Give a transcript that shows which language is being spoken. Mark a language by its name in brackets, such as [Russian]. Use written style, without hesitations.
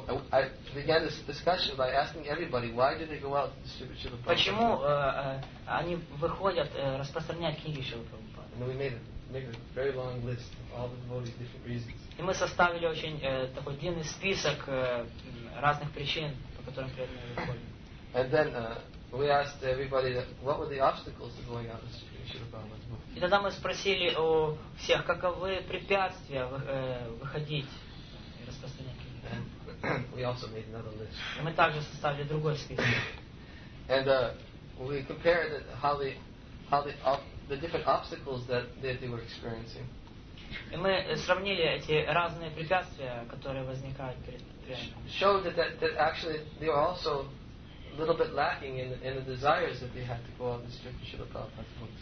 [English] I began this discussion by asking everybody, why did they go out to distribute Srila Prabhupada? [Russian] Почему они выходят распространять книги Srila Prabhupada? [English] And we made a very long list of all the devotees' different reasons. [Russian] И мы составили очень такой длинный список разных причин, по которым преданные выходят. [English] And then we asked everybody what were the obstacles to going out to distribute Srila Prabhupada's book. [Russian] И тогда мы спросили у всех, каковы препятствия выходить и распространять книги. [English] We also made another list. [Russian] И мы также составили другой список. [English] And we compared how the different obstacles that they were experiencing. [Russian] И мы сравнили эти разные препятствия, которые возникают перед преданными. [English] Showed that actually they were also a little bit lacking in the desires that they had to go out and distribute Srila Prabhupada's books.